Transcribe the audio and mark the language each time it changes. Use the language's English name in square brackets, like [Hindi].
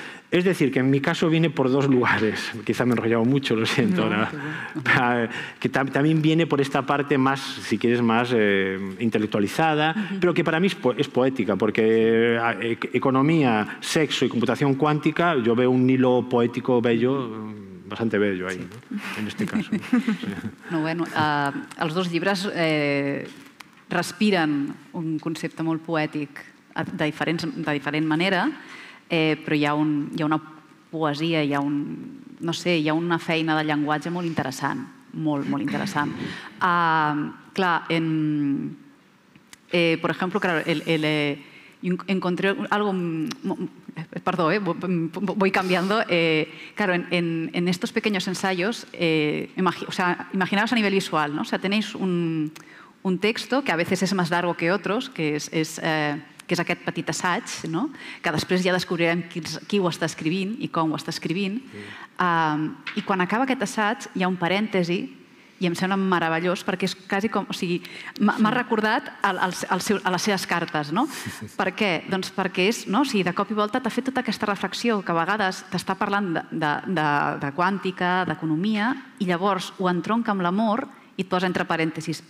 [Spanish] Es decir, que en mi caso viene por dos lugares. Quizá me he enrollado mucho, lo siento. No, ahora. Que también viene por esta parte más, si quieres, más intelectualizada, uh-huh. pero que para mí es poética, porque economía, sexo y computación cuántica, yo veo un hilo poético bello. Bastante bello ahí, sí. ¿No? En este caso. Sí. [Catalan] No, bueno, els dos llibres respiren un concepte molt poètic de diferent manera, però hi ha una poesia, hi ha una feina de llenguatge molt interessant, molt, molt interessant. Clar, per exemple, [Spanish] encontré algo... Perdón, voy cambiando. Claro, en estos pequeños ensayos, imaginaos a nivel visual, ¿no? O sea, tenéis un texto que a veces es más largo que otros, [Catalan] que és aquest petit assaig, [Spanish] ¿no? [Catalan] Que després ja descobrirem qui ho està escrivint i com ho està escrivint. I quan acaba aquest assaig hi ha un parèntesi i em sembla meravellós perquè és quasi com... O sigui, m'ha recordat a les seves cartes, no? Per què? Doncs perquè és... No? O sigui, de cop i volta t'ha fet tota aquesta reflexió que a vegades t'està parlant de quàntica, d'economia, i llavors ho entronca amb l'amor i et posa entre parèntesis.